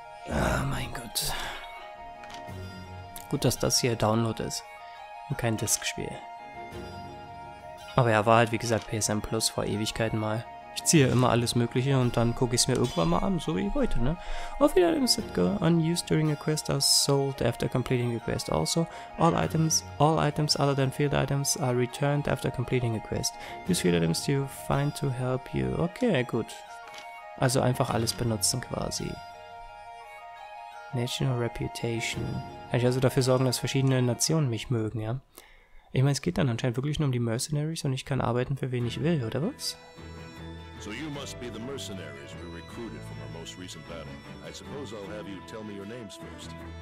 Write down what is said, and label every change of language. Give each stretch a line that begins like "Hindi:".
German: Ah, mein Gott. Gut, dass das hier Download ist und kein Disc-Spiel. Aber ja, war halt, wie gesagt, PSN Plus vor Ewigkeiten mal. Ich ziehe immer alles Mögliche und dann gucke ich es mir irgendwann mal an, so wie heute, ne?
English: All the items that go unused during a quest are sold after completing a quest. Also, all items other than field items are returned after completing a quest. Use field items you find to help you.
German: Okay, gut. Also einfach alles benutzen quasi.
English: National Reputation.
German: Kann ich also dafür sorgen, dass verschiedene Nationen mich mögen, ja? Ich meine, es geht dann anscheinend wirklich nur um die Mercenaries und ich kann arbeiten, für wen ich will, oder was?
English: So you must be the mercenaries we recruited from our most recent battle. I suppose I'll have you tell me your names first.